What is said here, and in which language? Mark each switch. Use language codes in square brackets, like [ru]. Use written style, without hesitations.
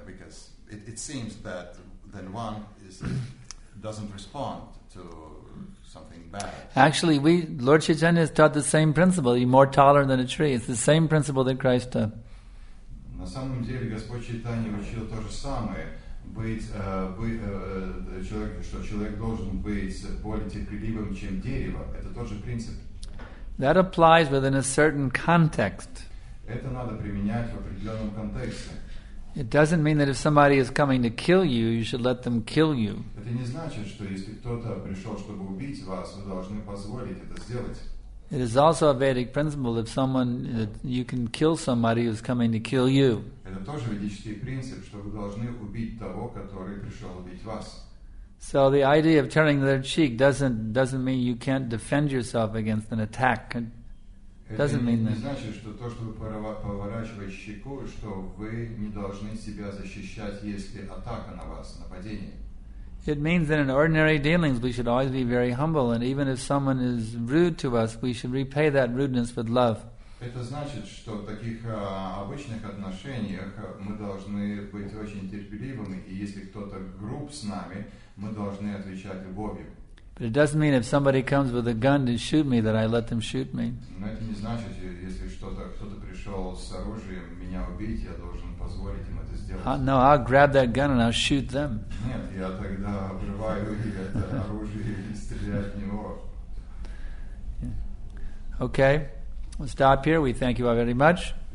[en] Because it seems that then one is. Doesn't respond to something bad. Actually, Lord Chaitanya has taught the same principle. You're more taller than a tree. It's the same principle that Christ taught. [ru] На самом деле, Господь Чайтанья учил то же самое. Что человек должен быть более терпеливым, чем дерево. Это тот же принцип. [en] That applies within a certain context. [ru] Это надо применять в определенном контексте. [en] It doesn't mean that if somebody is coming to kill you, you should let them kill you. [ru] Это не значит, что если кто-то пришел, чтобы убить вас, вы должны позволить это сделать. [en] It is also a Vedic principle if someone you can kill somebody who's coming to kill you. [ru] Это тоже ведический принцип, что вы должны убить того, который пришел убить вас. [en] So the idea of turning their cheek doesn't mean you can't defend yourself against an attack. Doesn't mean that. [ru] Это не значит, что то, что вы поворачиваете щеку, что вы не должны себя защищать, если атака на вас, нападение. [en] It means that in ordinary dealings we should always be very humble, and even if someone is rude to us, we should repay that rudeness with love. [ru] Это значит, что в таких обычных отношениях мы должны быть очень терпеливыми, и если кто-то груб с нами, мы должны отвечать любовью. [en] But it doesn't mean if somebody comes with a gun to shoot me that I let them shoot me. [ru] Но это не значит, если кто-то пришел с оружием меня убить, я должен позволить им это сделать. [en] No, I'll grab that gun and I'll shoot them. [ru] Нет, я тогда обрываю это оружие и стреляю в него. [en] Okay, we'll stop here. We thank you all very much.